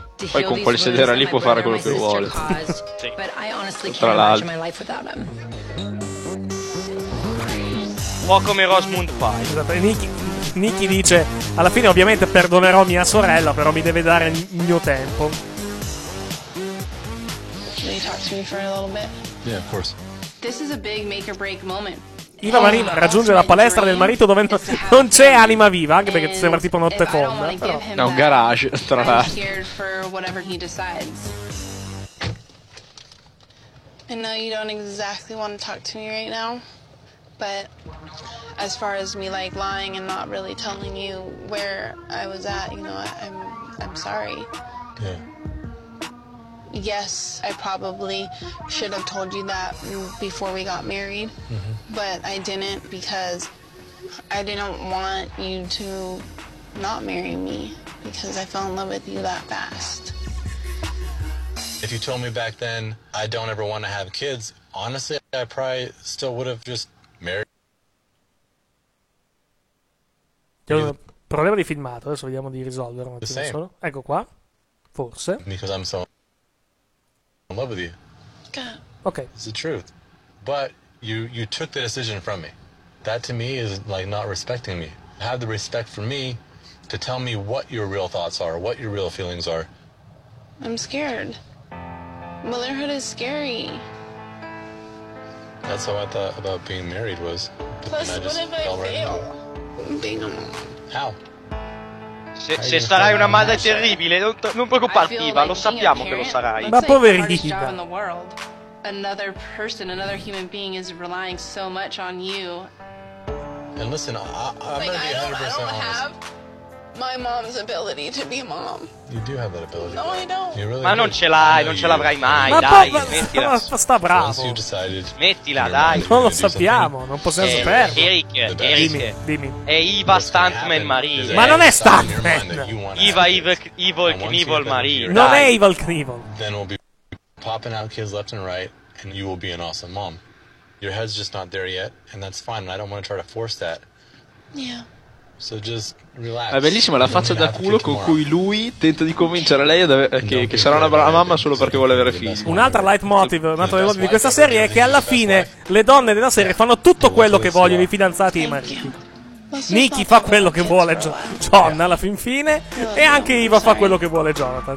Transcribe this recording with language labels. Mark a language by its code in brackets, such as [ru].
[it] Poi con quel sedere lì può fare quello che vuole. Tra l'altro. Un po' come Rosamund Pike. Esatto, Nicky dice: alla fine ovviamente perdonerò mia sorella, però mi deve dare il mio tempo. [en] Can you talk to me for a little bit? Yeah, of course. This is a big make or break moment. [it] Iva Marie raggiunge la palestra del marito dove non c'è anima viva, anche perché sembra tipo notte fonda. È un garage, tra l'altro. [en] I know you don't exactly want to talk to me right now, but as far as me like lying and not really telling you where I was at, you know, I'm sorry. Yeah. Yes, I probably should have told you that before we got married, but I didn't because I didn't want you to not marry me because I fell in love with you that fast. If you told me back then I don't ever want to have kids, honestly, I probably still would have just married. [it] C'è un problema di filmato, adesso vediamo di risolverlo. Ecco qua, forse. [en] Because I'm so in love with you. Okay. It's the truth. But you took the decision from me. That to me is like not respecting me. Have the respect for me to tell me what your real thoughts are, what your real feelings are. I'm scared. Motherhood is scary. That's how I thought about being married was. Plus, what if I fail being a mom? How? [it] Se sarai una madre terribile, non preoccuparti, Iva, lo sappiamo che lo sarai. Ma poverina. [en] Another person, another human being is relying so much on you. And listen, I'm gonna be 100% honest. I don't have my mom's ability to be mom. You do have that ability. No, I don't. [it] Really ma non ce l'hai, non ce l'avrai mai, dai, smettila. Ma sta bravo. Smettila, dai. Non lo sappiamo, non possiamo saperlo. Eric. Dimmi. È Iva Stuntman Marie. Ma non è Stuntman. Iva Evil Knievel Marie. Non è Evil Knievel. [en] Then we'll be popping out kids left and right, and you will be an awesome mom. Your head's just not there yet, and that's fine, and I don't want to try to force that. Yeah. So just relax. [it] È bellissima la faccia da culo con cui lui tenta di convincere lei che sarà una brava mamma solo perché vuole avere figli. Un'altra leitmotiv di questa serie è che alla fine le donne della serie fanno tutto quello che vogliono i fidanzati e i mariti. Nikki fa quello che vuole John alla fin fine e anche Iva fa quello che vuole Jonathan.